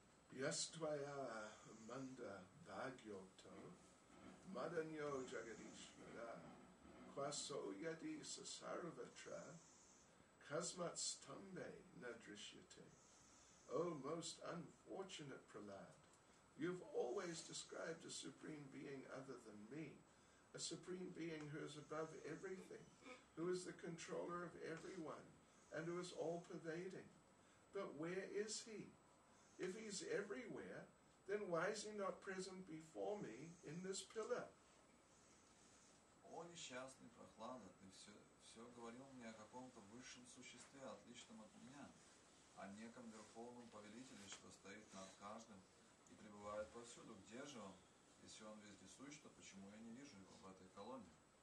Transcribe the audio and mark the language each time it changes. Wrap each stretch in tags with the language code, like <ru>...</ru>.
<sa>Яствая манда бхагьокто, маданьо джагадишвара, квасо яди сасарватра, казмац тамбе надришьете.</sa> <en>О most unfortunate Prahlad, you have always described a supreme being other than me, a supreme being who is above everything, who is the controller of everyone, and who is all-pervading. But where is he? If he's everywhere, then why is he not present before me in this pillar?</en> <ru>О, несчастный Прохлада, ты все говорил мне о каком-то высшем существе, отличном от меня, о неком верховном повелителе, что стоит над каждым и пребывает повсюду. Где же он? Если он вездесущ, то почему я не вижу его в этой колонии?</ru>